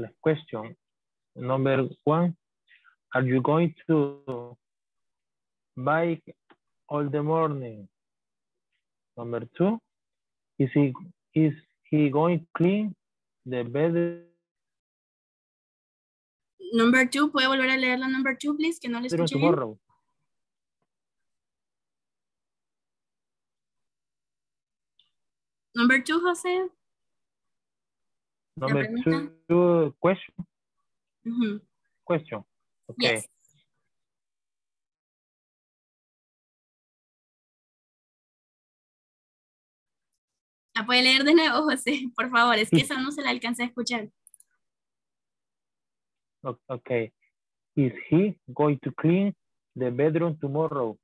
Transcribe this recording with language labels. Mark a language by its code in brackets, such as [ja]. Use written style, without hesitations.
[en] Last question. Number one, are you going to bike all the morning? Number two, is he going to clean the bed? Number two, [es] ¿puede volver a leer la [en] number two, please? [es] Que no le escuché bien. [en] Number two, José. Number two, question. Mm-hmm. Question. Okay. Yes. [es] ¿La puede leer de nuevo, José? Por favor, es que esa no se la alcanza a escuchar. [en] Okay. Is he going to clean the bedroom tomorrow?